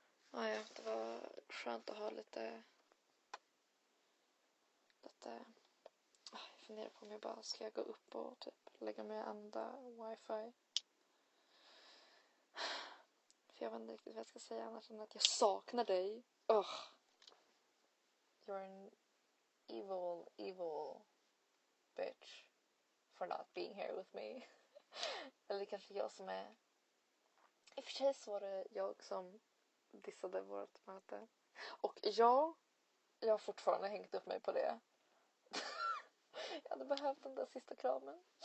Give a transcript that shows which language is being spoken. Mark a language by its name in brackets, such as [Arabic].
[Swedish] Ja, det var skönt att ha lite... Jag funderar på om jag bara ska gå upp och typ lägga mig och andra wifi. För jag vet inte riktigt vad jag ska säga annars än att jag saknar dig. Ugh. [English] You're an evil, evil bitch for not being here with me. [Swedish] Eller kanske jag som är... I och för sig så var det jag som dissade vårt möte. Och jag har fortfarande hängt upp mig på det. Jag hade behövt den där sista kramen.